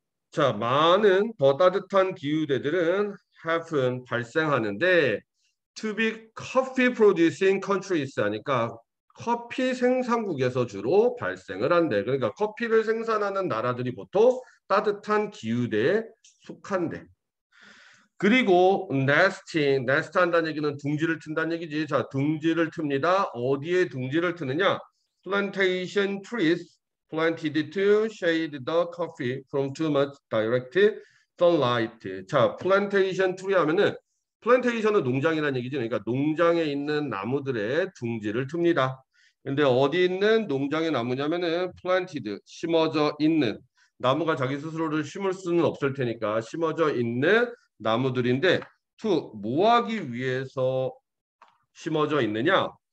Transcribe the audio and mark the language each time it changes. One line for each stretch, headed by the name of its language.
Korean: 자, 많은 더 따뜻한 기후대들은 happen 발생하는데
English: to be coffee producing countries
Korean: 하니까 커피 생산국에서 주로 발생을 한대. 그러니까 커피를 생산하는 나라들이 보통 따뜻한 기후대에 속한대. 그리고 nest 한다는 얘기는 둥지를 튼다는 얘기지. 자, 둥지를 틉니다. 어디에 둥지를 트느냐?
English: plantation trees planted to shade the coffee from too much direct sunlight.
Korean: 자, plantation tree 하면은 plantation은 농장이라는 얘기죠. 그러니까 농장에 있는 나무들의 둥지를 틉니다. 근데 어디 있는 농장의 나무냐면은 planted 심어져 있는 나무가 자기 스스로를 심을 수는 없을 테니까 심어져 있는 나무들인데 to 뭐 하기 위해서 심어져 있느냐?